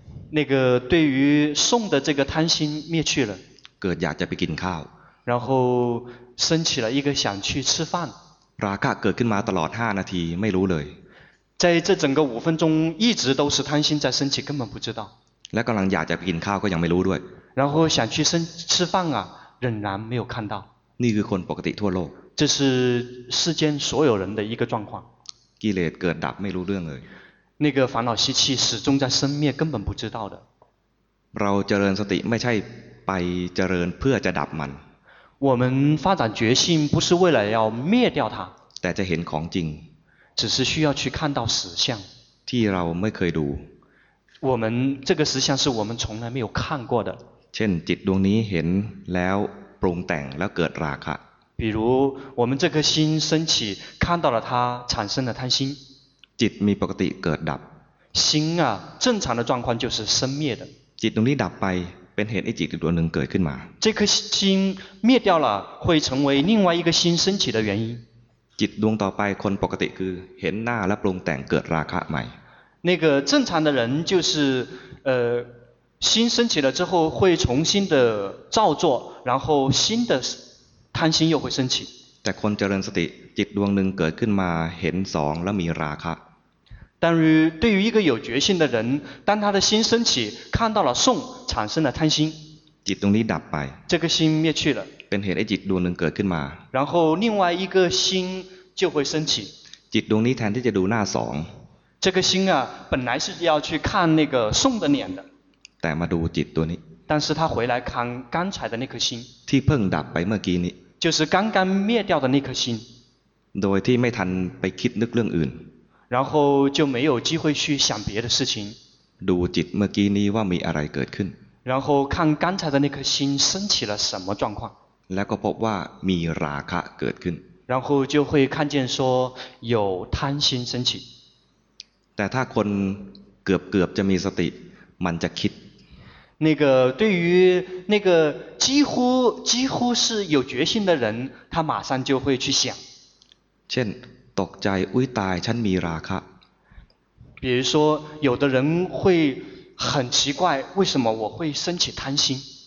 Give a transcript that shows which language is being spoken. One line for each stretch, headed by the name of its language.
Chinese: 那个对于送的这个贪心灭去了
Thai: เกิดอยากจะไปกินข้าว
Chinese: 然后升起了一个想去吃饭
Thai: ราคะเกิดขึ้นมาตลอด5นาทีไม่รู้เลย
Chinese: 在这整个5分钟一直都是贪心在升起根本不知道
Thai: และกำลังอยากจะไปกินข้าวก็ยังไม่รู้ด้วย
Chinese: 然后想去吃饭啊仍然没有看到
Thai: นี่คือคนปกติทั่วโลก
Chinese: 这是世间所有人的一个状况
Thai: กิเลสเกิดดับไม่รู้เรื่องเลย
Chinese: 那个烦恼习气始终在生灭根本不知道的
Thai: เราเจริญสติไม่ใช่ไปเจริญเพื่อจะดับมัน
Chinese: 我们发展觉性不是为了要灭掉它
Thai: แต่จะเห็นของจริง
Chinese: 只是需要去看到实相
Thai: ที่เราไม่เคยดู
Chinese: 我们这个实相是我们从来没有看过的
Thai: เช่นจิตดวงนี้เห็นแล้วปรุงแต่งแล้วเกิดราคะ
Chinese: 比如我们这颗心升起看到了它产生了贪心
Thai: จิตมีปกติเกิดดับ
Chinese: 心啊正常的状况就是生灭的
Thai: จิตดวงนี้ดับไปเป็นเหตุให้จิตอีกดวงหนึ่งเกิดขึ้นมา
Chinese: 这颗心灭掉了会成为另外一个心升起的原因
Thai: จิตดวงต่อไปคนปกติคือเห็นหน้าและปรุงแต่งเกิดราคะใหม่
Chinese: 那个正常的人就是心升起了之后会重新的造作然后新的贪心又会升起
Thai: แต่คนเจริญสติจิตดวงหนึ่งเกิดขึ้นมาเห็นสองและมีราคะ
Chinese: 但于对于一个有决心的人当他的心升起看到了送产生了贪心
Thai: จิตตรงนี้ดับไป
Chinese: 这个心灭去了
Thai: เป็นเหตุให้จิตดวงหนึ่งเกิดขึ้นมา
Chinese: 然后另外一个心就会升起
Thai: จิตดวงนี้แทนที่จะดูหน้าสอง
Chinese: 这个心啊本来是要去看那个送的脸的
Thai: แต่มาดูจิตตัวนี้
Chinese: 但是他回来看刚才的那颗心
Thai: ที่เพิ่งดับไปเมื่อกี้นี้
Chinese: 就是刚刚灭掉的那颗心
Thai: โดยที่ไม่ทันไปคิดนึกเรื่องอื่น
Chinese: 然后就没有机会去想别的事情
Thai: ดูจิตเมื่อกี้นี้ว่ามีอะไรเกิดขึ้น
Chinese: 然后看刚才的那颗心升起了什么状况
Thai: แล้วก็พบว่ามีราคะเกิดขึ้น
Chinese: 然后就会看见说有贪心升起
Thai: แต่ถ้าคนเกือบจะมีสติมันจะคิด
Chinese: 那个对于那个几乎是有决心的人他马上就会去想
Thai: เช่นตกใจอุ้ยตายฉันมีราคะ
Chinese: 比如说有的人会很奇怪为什么我会升起贪心